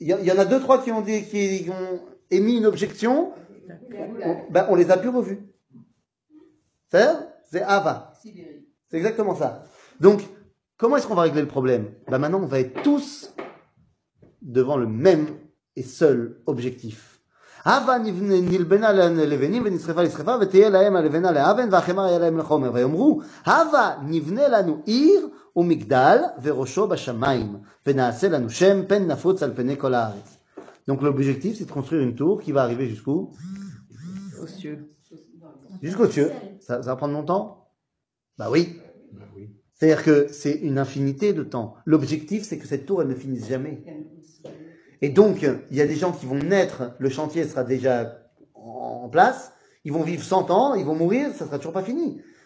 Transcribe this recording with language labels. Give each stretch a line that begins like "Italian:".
French: Il y en a deux, trois qui ont dit, qui ont émis une objection. On les a plus revus. C'est Hava. C'est exactement ça. Donc, comment est-ce qu'on va régler le problème ? Maintenant, on va être tous devant le même et seul objectif.
Hebrew: הווה נלבנה ללבנים ונשרפה לשרפה ותהיה להם הלבנה לאבן והחמר היה להם לחומר ויאמרו הווה נבנה לנו עיר ומגדל וראשו בשמיים ונעשה לנו שם פן נפוץ על פני כל הארץ.
French: Donc l'objectif c'est de construire une tour qui va arriver jusqu'où? Aux cieux. Jusqu'aux cieux. Ça va prendre longtemps? Bah oui. C'est-à-dire que c'est une infinité de temps. L'objectif c'est que cette tour elle ne finisse jamais. Et donc, il y a des gens qui vont naître, le chantier sera déjà en place, ils vont vivre 100 ans, ils vont mourir, ça ne sera toujours pas fini.